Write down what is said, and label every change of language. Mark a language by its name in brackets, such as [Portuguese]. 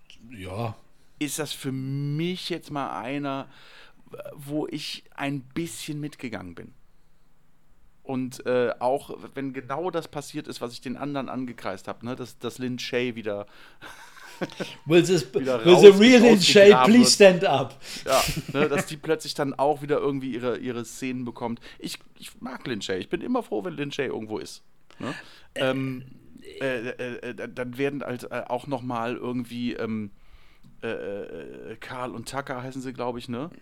[German] ja, ist das für mich jetzt mal einer, wo ich ein bisschen mitgegangen bin. Und auch wenn genau das passiert ist, was ich den anderen angekreist habe, ne, dass Lin Shaye wieder [English] Will this, will the real Lin Shaye please stand up? [German] Ja, ne, dass die plötzlich dann auch wieder irgendwie ihre Szenen bekommt. Ich mag Lin Shaye. Ich bin immer froh, wenn Lin Shaye irgendwo ist. Ne? Dann werden halt auch noch mal irgendwie Carl und Tucker heißen sie, glaube ich, ne?